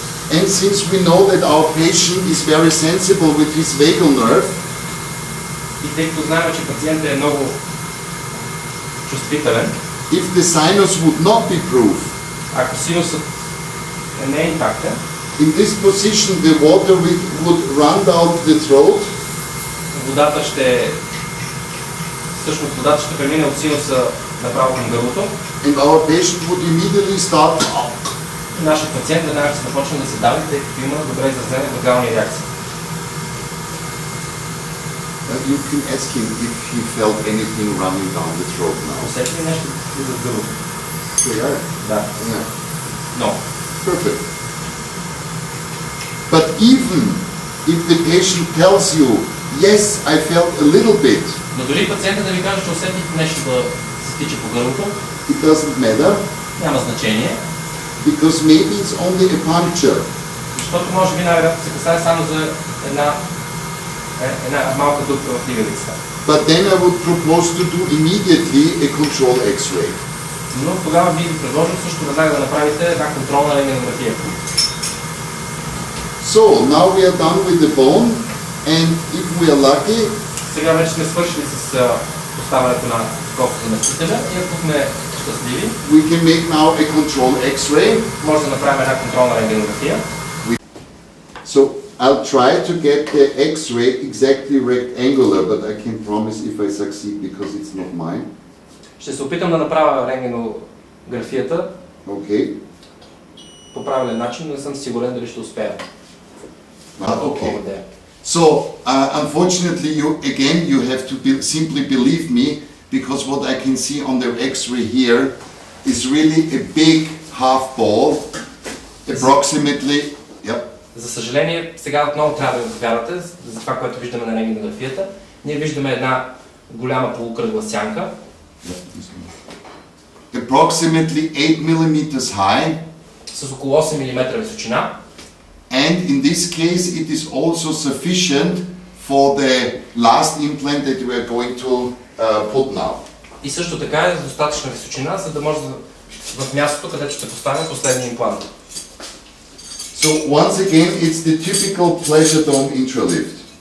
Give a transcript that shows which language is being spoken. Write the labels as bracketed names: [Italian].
[English] And since we know that our patient is very sensible with his vagal nerve, [Bulgarian] и тъй като знаем, че пациентът е много чувствителен, [English] If the sinus would not be proof, [Bulgarian] ако синусът не е интактен, [English] in this position the water would run down the throat. [Bulgarian] Водата ще всъщност водата ще премине от синуса направо към гърлото. [English] And our patient would immediately start. [Bulgarian] Нашият пациент веднага ще започне да се дави, тъй като има добре изразена вагална реакция. [English] You can ask him if he felt anything running down the throat now. [Bulgarian] Усети ли нещо от гърлото? Да. [English] No. Perfect. But even if the patient tells you, yes, I felt a little bit. [Bulgarian] Но дори пациентът да ви каже, че усетих нещо да се тича по гърлото, [English] it doesn't matter. [Bulgarian] Няма значение. [English] Because maybe it's only a puncture. [Bulgarian] Защото може би най-вероятно се касае само за една малка дупка в лигавицата. [English] But then I would propose to do immediately a control X-ray. [Bulgarian] Но тогава би ви предложил също веднага да направите една контролна рентгенография. [English] So now we are done with the bone, and if we are lucky, [Bulgarian] сега вече сме свършили с поставянето на копчето на чителя и ако сме щастливи, [English] we can make now a control X-ray. [Bulgarian] Може да направим една контролна рентгенография. [English] So I'll try to get the X-ray exactly rectangular, but I can promise if I succeed because it's not mine. [Bulgarian] Ще се опитам да направя рентгенографията. [English] Okay. [Bulgarian] По правилен начин, но не съм сигурен дали ще успея. [English] Okay. So, unfortunately, you have to simply believe me, because what I can see on the X-ray here is really a big half ball, approximately. Yep. [Bulgarian] За съжаление, сега отново трябва да вярвате за това, което виждаме на рентгенографията. Ние виждаме една голяма полукръгла сянка. [English] Approximately 8 mm high. [Bulgarian] С около 8 мм височина. [English] And in this case it is also sufficient for the last implant that we are going to put now. [Bulgarian] И също така е достатъчна височина, за да може в мястото, където ще поставим последния имплант. [English] So once again it's the typical pleasure dome intralift.